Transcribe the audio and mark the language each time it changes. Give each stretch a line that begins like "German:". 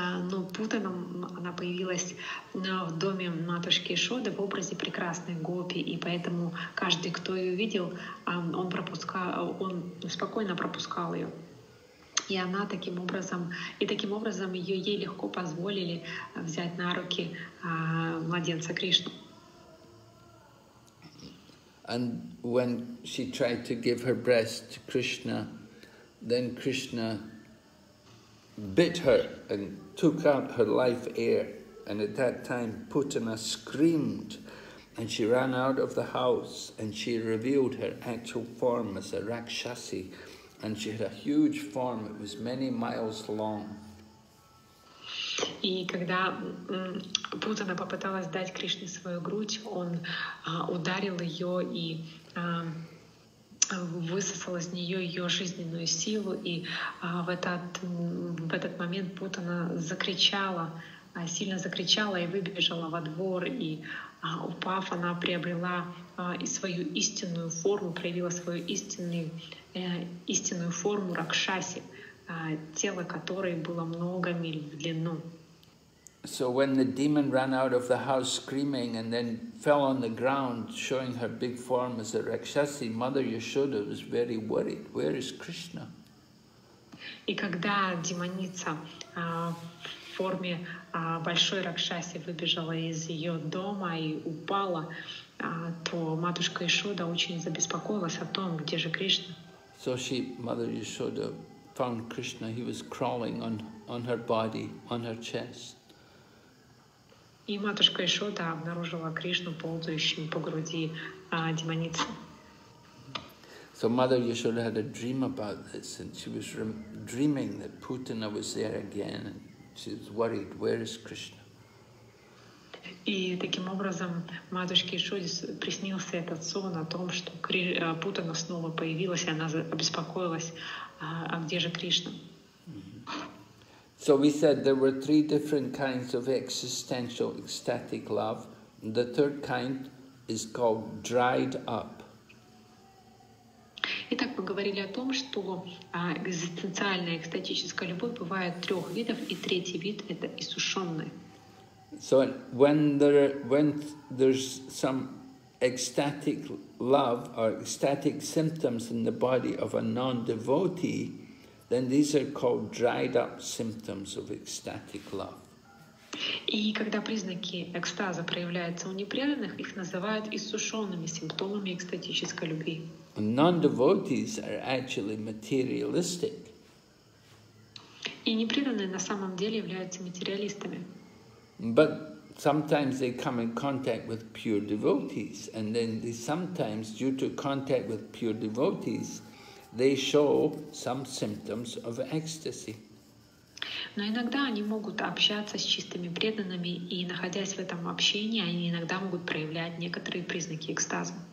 Russian: Но Путана, она появилась в доме матушки Ишоды в образе прекрасной гопи, и поэтому каждый, кто ее видел, он спокойно пропускал ее. И она таким образом ей легко позволили взять на руки младенца Кришну.
English: And when she tried to give her breast to Krishna, then Krishna bit her and took out her life air, and at that time Putana screamed and she ran out of the house, and she revealed her actual form as a Rakshasi, and she had a huge form, it was many miles long.
Russian: И когда Путана попыталась дать Кришне свою грудь, он ударил ее и высосала из нее ее жизненную силу, и в этот момент Путана закричала, сильно закричала и выбежала во двор, и упав, она приобрела и свою истинную форму, проявила свою истинную форму Ракшаси, тело которой было много миль в длину.
English: So when the demon ran out of the house screaming and then fell on the ground showing her big form as a Rakshasi, Mother Yashoda was very worried. Where is Krishna?
Russian: И когда демоница в форме большой Ракшаси выбежала из ее дома и упала, то матушка Яшода очень забеспокоилась о том, где же Кришна.
English: So she, Mother Yashoda, found Krishna. He was crawling on her body, on her chest.
Russian: И матушка Яшода обнаружила Кришну ползающим по груди демоницы.
English: So Mother Yashoda had a dream about this, and she was dreaming that Putana was there again, and she was worried, where is Krishna?
Russian: И таким образом матушке Яшоде приснился этот сон о том, что Путана снова появилась, и она обеспокоилась, а где же Кришна?
English: So we said there were three different kinds of existential ecstatic love. The third kind is called dried up.
Russian: Итак, мы говорили о том, что экзистенциальная экстатическая любовь бывает трех видов, и третий вид – это иссушенная.
English: So when there's some ecstatic love or ecstatic symptoms in the body of a non-devotee, then these are called dried up symptoms of ecstatic love.
Russian: И когда признаки экстаза проявляются у непреданных, их называют иссушенными симптомами экстатической любви.
English: Non-devotees are actually materialistic.
Russian: И непреданные на самом деле являются материалистами.
English: But sometimes they come in contact with pure devotees, and then they sometimes, due to contact with pure devotees, they show some symptoms of ecstasy.
Russian: Но иногда они могут общаться с чистыми преданными, и находясь в этом общении, они иногда могут проявлять некоторые признаки экстаза.